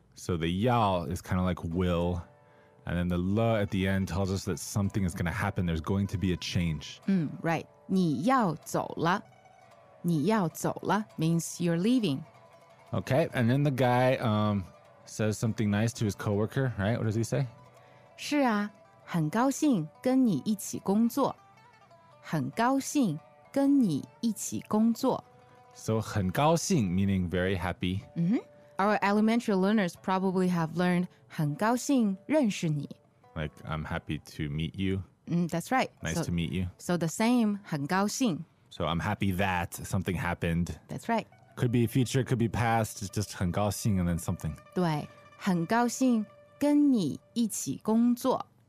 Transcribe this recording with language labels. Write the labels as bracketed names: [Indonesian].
[English] So the 要 is kind of like will. And then the 了 at the end tells us that something is going to happen. There's going to be a change. Right. [Chinese] 你要走了。你要走了 [English] means you're leaving. Okay. And then the guy says something nice to his coworker, right? What does he say? [Chinese] 是啊,很高兴跟你一起工作。很高兴跟你一起工作。 [English] So 很高兴 meaning very happy. Our elementary learners probably have learned [Chinese] 很高兴认识你。 [English] Like, I'm happy to meet you. That's right. Nice to meet you. So the same, 很高兴。 So I'm happy that something happened. That's right. Could be future, could be past, it's just 很高兴 and then something. [Chinese] 对,很高兴跟你一起工作。